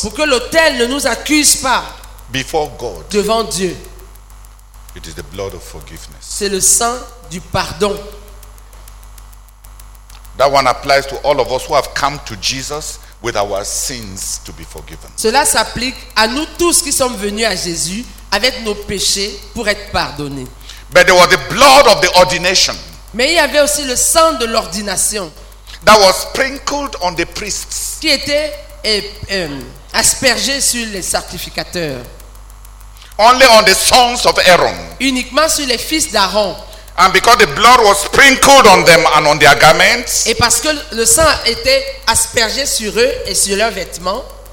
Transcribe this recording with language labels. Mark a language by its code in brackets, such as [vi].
[fr] Pour que l'autel ne nous accuse pas. [en] Before God. [fr] Devant Dieu. [en] It is the blood of forgiveness. [fr] C'est le sang du pardon. [en] That one applies to all of us who have come to Jesus with our sins to be forgiven. [fr] Cela s'applique à nous tous qui sommes venus à Jésus avec nos péchés pour être pardonnés. [en] But there was the blood of the ordination. [fr] Mais il y avait aussi le sang de l'ordination. [en] That was sprinkled on the priests. [fr] Qui était aspergé sur les sacrificateurs. [en] Only on the sons of Aaron. [fr] Uniquement sur les fils d'Aaron. [en] And because the blood was sprinkled on them and on their garments. [fr] Et parce que le sang était aspergé sur eux et sur leurs vêtements.